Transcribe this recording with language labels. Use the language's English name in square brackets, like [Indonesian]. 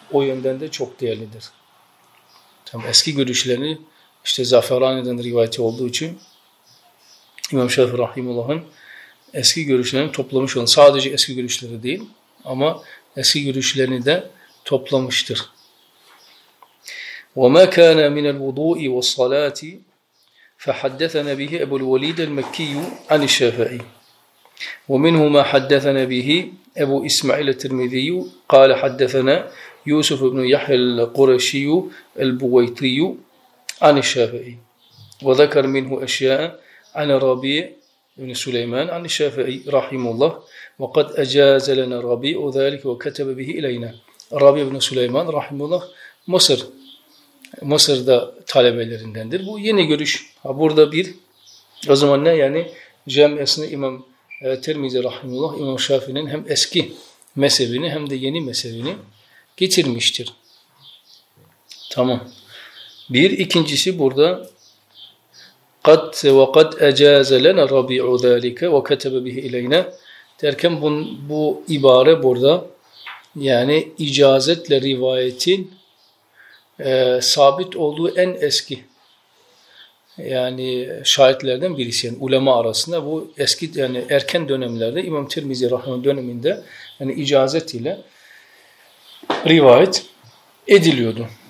[Turkish] O yönden de çok değerlidir. Tam eski görüşlerini işte Zaferani'den rivayeti olduğu için İmam Şafii rahimullah'ın eski görüşlerini toplamış olan sadece eski görüşleri değil ama eski görüşlerini de toplamıştır. [Arabic] وما كان من الوضوء والصلاة فحدثنا به أبو الوليد المكي عن الشافعي ومنه ما حدثنا به أبو إسماعيل الترمذي قال حدثنا يوسف بن يحيى القرشي البويطي عن الشافعي وذكر منه أشياء عن ربيع بن سليمان عن الشافعي رحمه الله وقد أجاز لنا ربيع ذلك وكتب به إلينا ربيع بن سليمان رحمه الله مصر [Turkish] Mısır'da talebelerindendir. Bu yeni görüş. Ha burada bir o zaman ne yani cemiyesinde İmam Tirmizi rahimullah İmam Şafii'nin hem eski mezhebini hem de yeni mezhebini getirmiştir. Tamam. Bir ikincisi burada [Arabic] قَدْ وَقَدْ اَجَازَ لَنَا رَبِيعُ ذَٰلِكَ وَكَتَبَ بِهِ اِلَيْنَا [Turkish] derken bu ibare burada yani icazetle rivayetin sabit olduğu en eski yani şahitlerden birisi yani ulema arasında bu eski yani erken dönemlerde İmam Tirmizi rahimehullah döneminde yani icazet ile rivayet ediliyordu.